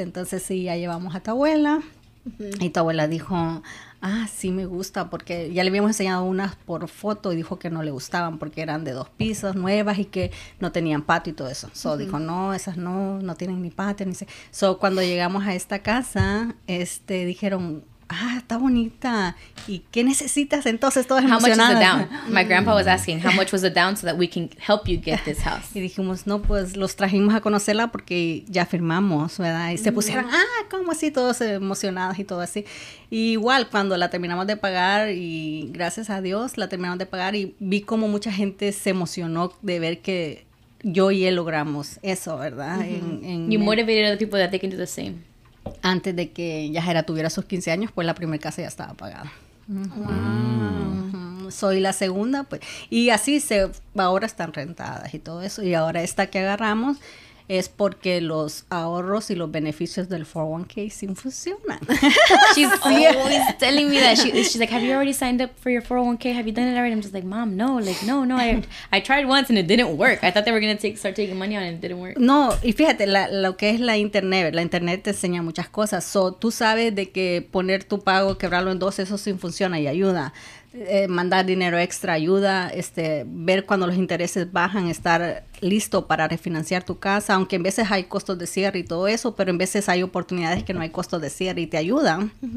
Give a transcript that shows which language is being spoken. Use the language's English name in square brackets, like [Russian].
[Spanish] Entonces, sí, ya llevamos a tu abuela. Y tu abuela dijo, ah, sí me gusta, porque ya le habíamos enseñado unas por foto y dijo que no le gustaban porque eran de dos pisos nuevas y que no tenían patio y todo eso. So, dijo, no, esas no tienen ni patio. Ni se... So, cuando llegamos a esta casa, dijeron, ah, está bonita. ¿Y qué necesitas entonces? Todos emocionados. [English] How much is the down? My grandpa was asking, how much was the down so that we can help you get this house? [Spanish] Y dijimos, no, pues los trajimos a conocerla porque ya firmamos, ¿verdad? Y se pusieron, ah, ¿cómo así? Todos emocionados y todo así. Y igual, cuando la terminamos de pagar, y gracias a Dios, la terminamos de pagar y vi cómo mucha gente se emocionó de ver que yo y él logramos eso, ¿verdad? [English] You motivated other people that they can do the same. [Spanish] Antes de que Yajaira tuviera sus 15 años, pues la primera casa ya estaba pagada. Soy la segunda, pues. Y así se, ahora están rentadas y todo eso. Y ahora esta que agarramos es porque los ahorros y los beneficios del 401k sí funcionan. [English] She's always telling me that. She's like, have you already signed up for your 401k? Have you done it already? I'm just like, mom, no. Like, no. I tried once and it didn't work. I thought they were going to start taking money on it and it didn't work. [Spanish] No, y fíjate, lo que es la internet. La internet te enseña muchas cosas. So, tú sabes de que poner tu pago, quebrarlo en dos, eso sí funciona y ayuda. Mandar dinero extra ayuda, ver cuando los intereses bajan, estar listo para refinanciar tu casa, aunque en veces hay costos de cierre y todo eso, pero en veces hay oportunidades que no hay costos de cierre y te ayudan.